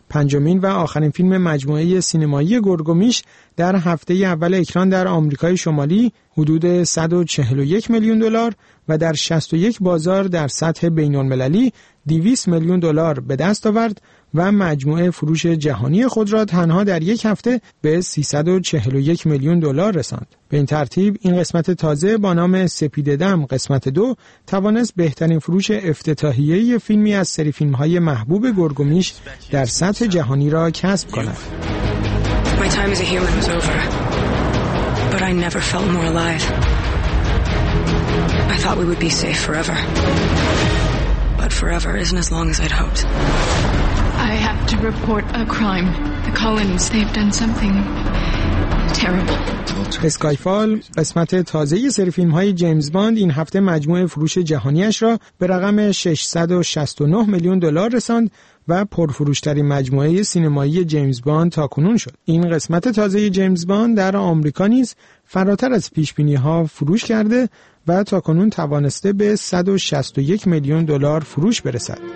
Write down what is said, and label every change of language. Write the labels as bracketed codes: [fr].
[fa] پنجمین و آخرین فیلم مجموعه سینمایی گرگومیش در هفته اول اکران در آمریکای شمالی حدود 141 میلیون دلار و در 61 بازار در سطح بین‌المللی 200 میلیون دلار به دست آورد و مجموعه فروش جهانی خود را تنها در یک هفته به 341 میلیون دلار رساند. به این ترتیب این قسمت تازه با نام سپیددم قسمت دو توانست بهترین فروش افتتاحیه فیلمی از سری فیلم‌های محبوب گرگومیش در سطح جهانی را کسب کند. [en] My time as a human was over. But I never felt more alive. I thought we would be safe forever. But forever isn't as long as I'd hoped. I have to report a crime. The Collins, they've done something terrible. [fa] اسکایفال قسمت تازه سری فیلم‌های جیمز باند این هفته مجموعه فروش جهانیش را به رقم 669 میلیون دلار رساند و پرفروش‌ترین مجموعه سینمایی جیمز باند تاکنون شد. این قسمت تازه جیمز باند در آمریکا نیز فراتر از پیش‌بینی‌ها فروش کرده و تاکنون توانسته به 161 میلیون دلار فروش برسد.